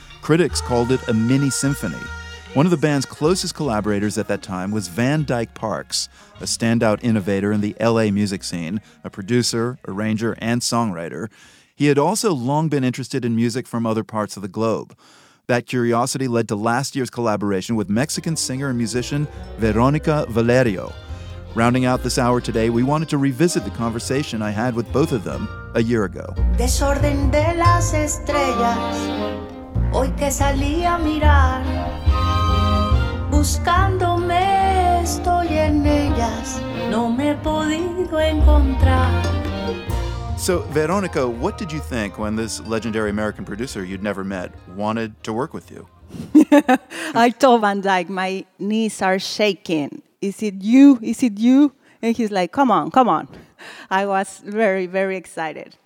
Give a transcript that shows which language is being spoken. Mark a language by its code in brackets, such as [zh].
[en] Critics called it a mini symphony. One of the band's closest collaborators at that time was Van Dyke Parks, a standout innovator in the LA music scene, a producer, arranger, and songwriter. He had also long been interested in music from other parts of the globe. That curiosity led to last year's collaboration with Mexican singer and musician Veronica Valerio. Rounding out this hour today, we wanted to revisit the conversation I had with both of them a year ago. [es] Desorden de las estrellas, hoy que salí a mirar, buscándome estoy en ellas, no me he podido encontrar. [en] So, Veronica, what did you think when this legendary American producer you'd never met wanted to work with you? I told Van Dyke, my knees are shaking. Is it you? Is it you? And he's like, come on, come on. I was very, very excited.